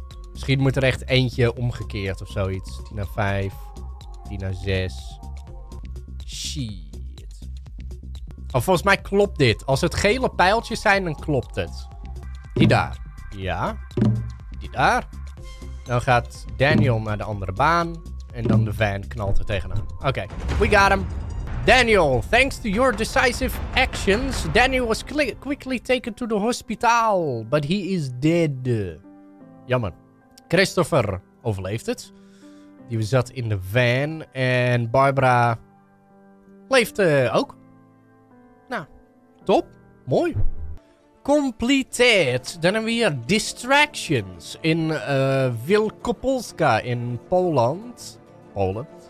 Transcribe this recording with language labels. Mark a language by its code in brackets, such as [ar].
[nl] Misschien moet er echt eentje omgekeerd of zoiets. 10 naar 5. 10 naar 6. Shit. Oh, volgens mij klopt dit. Als het gele pijltjes zijn, dan klopt het. Die daar. Ja. Die daar. Dan gaat Daniel naar de andere baan. En dan de van knalt er tegenaan. Oké, [en] we got him. Daniel, thanks to your decisive actions, Daniel was quickly taken to the hospital, but he is dead. [nl] Jammer. Christopher overleeft het. Die zat in de van en Barbara leeft ook. Nou, top. Mooi. Completed. Dan hebben we hier [en] distractions in Wielkopolska in Poland. [nl] Polen.